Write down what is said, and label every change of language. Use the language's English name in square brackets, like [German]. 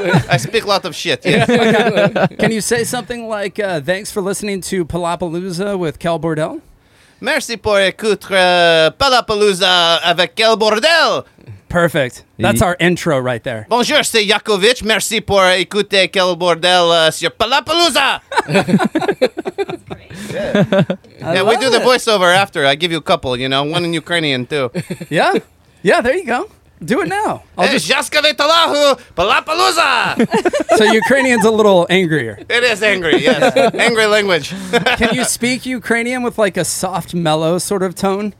[English] I speak a lot of shit, yeah. Can you say something like, thanks for listening to Palapalooza with Quel Bordel? [French] Merci pour écouter Palapalooza avec Quel Bordel. [English] Perfect. That's our intro right there. [French] Bonjour, c'est Yakovitch. Merci pour écouter Quel Bordel sur Palapalooza. [English] Yeah, we do the voiceover after. I give you a couple, you know, one in Ukrainian too. Yeah? Yeah, there you go. Do it now. I'll just Jaskave Talahu, Palapalooza. So Ukrainian's a little angrier. It is angry, yes. Angry language. Can you speak Ukrainian with like a soft, mellow sort of tone?